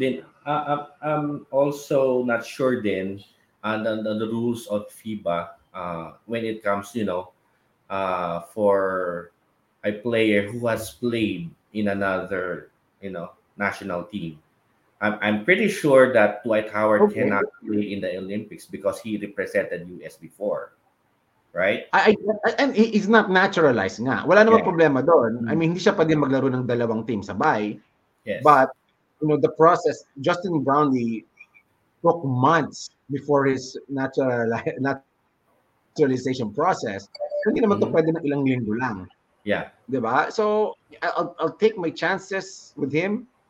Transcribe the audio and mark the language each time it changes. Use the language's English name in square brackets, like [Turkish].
[English] Then, I'm also not sure then on the rules of FIBA when it comes, you know, for a player who has played in another, you know, national team. I'm pretty sure that Dwight Howard cannot play in the Olympics because he represented US before, right? And he's not naturalized [Filipino] nga. Wala namang problema doon. [English] I mean, [Filipino] hindi siya pwede maglaro ng dalawang team sabay. [English] Yes. But, you know, the process, Justin Brownlee took months before his naturalization process. [Filipino] Hindi naman to pwede na ilang linggo lang. [English] Yeah. Diba? So, I'll take my chances with him.